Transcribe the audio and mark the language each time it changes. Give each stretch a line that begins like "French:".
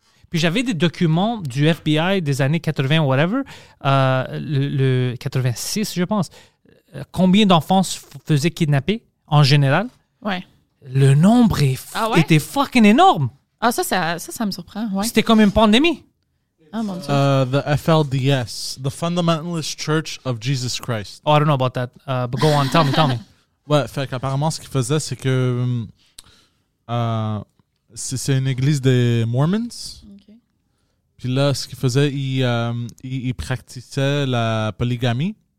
French: Puis j'avais des documents du FBI des années 80 ou whatever, le 86, je pense. Combien d'enfants se faisaient kidnapper en général? Ouais. Le nombre était fucking énorme! Ah, ça me surprend, ouais. C'était comme une pandémie. Ah, mon Dieu.
English: The FLDS, the Fundamentalist Church of Jesus Christ. Oh, I don't know about that. But go on, tell me.
French: Ouais, fait qu'apparemment, ce qu'ils faisaient, c'est que c'est une église des Mormons. OK. Puis là, ce qu'ils faisaient, ils pratiquaient la polygamie.